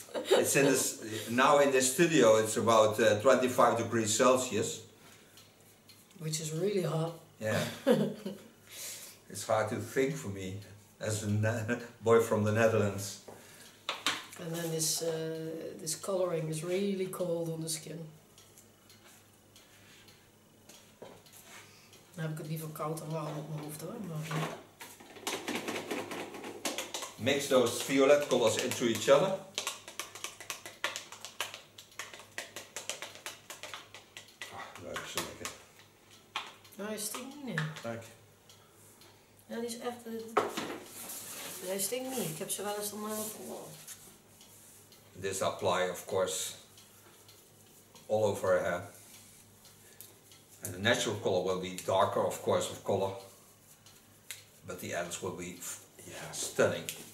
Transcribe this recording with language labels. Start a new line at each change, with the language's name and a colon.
English: It's in this, now in this studio it's about 25 degrees Celsius. Which is really hot. Yeah. It's hard to think for me as a boy from the Netherlands. And then this this coloring is really cold on the skin.
Dutch: Dan heb ik het liever koud dan warm op mijn hoofd hoor. Maar...
English: Mix those violet colors into each other.
Dutch: Ah, leuk, zo lekker. Nou, hij stinkt niet. Nee. Dank. Ja, die is echt. Hij stinkt niet. Ik heb ze wel eens om mijn hoofd.
English: This apply, of course, all over her hair. And the natural color will be darker, of course, of color. But the ends will be, stunning.